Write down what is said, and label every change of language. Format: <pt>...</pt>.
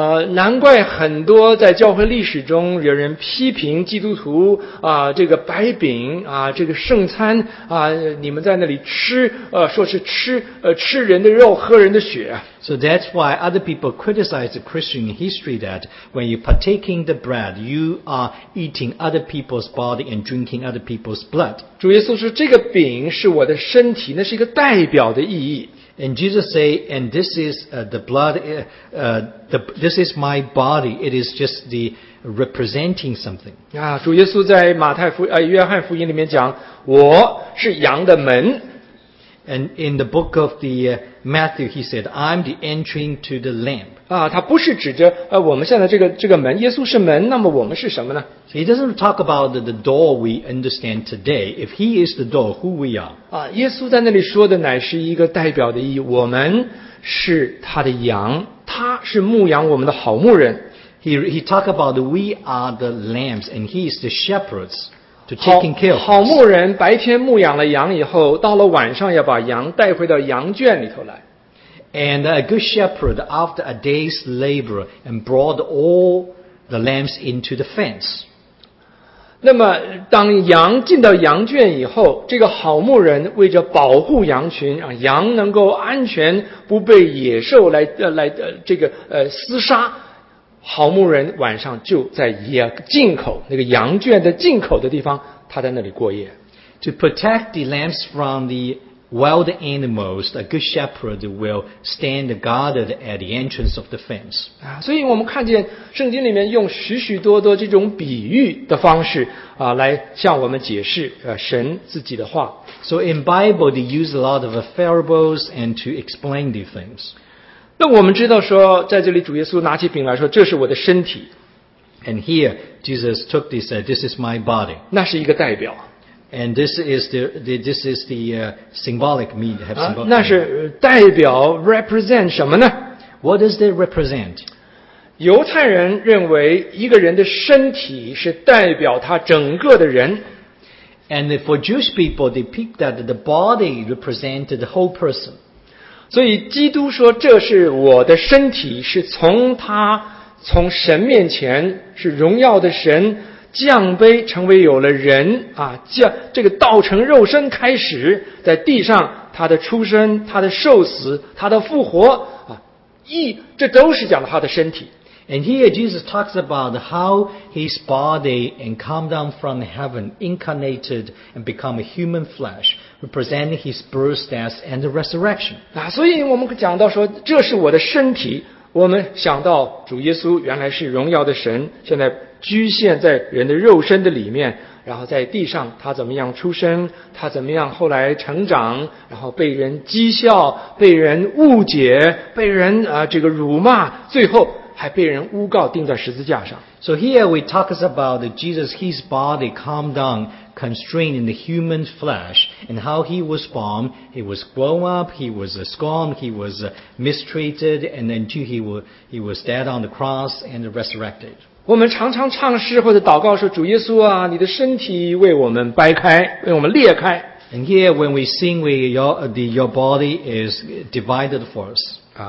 <zh>难怪很多在教会历史中有人批评基督徒这个白饼这个圣餐你们在那里吃说是吃吃人的肉喝人的血。</zh> <en>So that's why other people criticize the Christian history that when you partaking the bread, you are eating other people's body and drinking other people's blood.</en> <zh>主耶稣说这个饼是我的身体，那是一个代表的意义。</zh> <en>And Jesus say, and this is the blood, this is my body. It is just the representing something.</en> <zh>主耶稣在约翰福音里面讲，我是羊的门。</zh> <en>And in the book of the Matthew, he said, I'm the entering to the lamb.</en> <zh>他不是指着我们现在这个门，耶稣是门，那么我们是什么呢？</zh> <en>So he doesn't talk about the door we understand today. If he is the door, who we are?</en> <zh>耶稣在那里说的乃是一个代表的意义，我们是他的羊，他是牧羊我们的好牧人。</zh> <en>He talk about we are the lambs and he is the shepherds. To taking care of.</en> <zh>好牧人白天牧养了羊以后，到了晚上要把羊带回到羊圈里头来。</zh> <en>And a good shepherd after a day's labor and brought all the lambs into the fence.</en> <zh>那么当羊进到羊圈以后，这个好牧人为着保护羊群，羊能够安全不被野兽厮杀，好牧人晚上就在进口那个羊圈的进口的地方，他在那里过夜。</zh> <en>To protect the lambs from the wild animals, a good shepherd will stand guarded at the entrance of the fence.</en> <zh>所以我们看见圣经里面用许许多多这种比喻的方式来向我们解释神自己的话。</zh> <en>So in Bible, they use a lot of parables and to explain these things.</en> <zh>那我们知道说在这里主耶稣拿起饼来说，这是我的身体。</zh> <en>And here, Jesus took this, said, this is my body.</en> <zh>那是一个代表。</zh> <en>And this is the symbolic meaning.</en> <zh>那是代表 represent 什么呢？</zh> <en>What does that represent?</en> <zh>犹太人认为一个人的身体是代表他整个的人。</zh> <en>And for Jewish people, they think that the body represented the whole person.</en> <zh>所以基督说这是我的身体，是从他从神面前是荣耀的神降杯成为有了人这个道成肉身开始在地上，他的出生，他的受死，他的复活这都是讲了他的身体。</zh> <en>And here Jesus talks about how his body and come down from heaven incarnated and become a human flesh representing his birth, death and the resurrection.</en> <zh>所以我们讲到说这是我的身体，我们想到主耶稣原来是荣耀的神，现在居现在人的肉身的里面，然后在地上他怎么样出生，他怎么样后来成长，然后被人讥笑，被人误解，被人辱骂，最后还被人诬告钉在十字架上。</zh> <en>So here we talk about Jesus, his body come down constrained in the human flesh and how he was born. He was grown up, he was scorned, he was mistreated, and then too he was dead on the cross and resurrected.</en> <zh>我们常常唱诗或者祷告说，主耶稣啊，你的身体为我们掰开，为我们裂开。</zh> <en>And here when we sing, your body is divided for us.</en>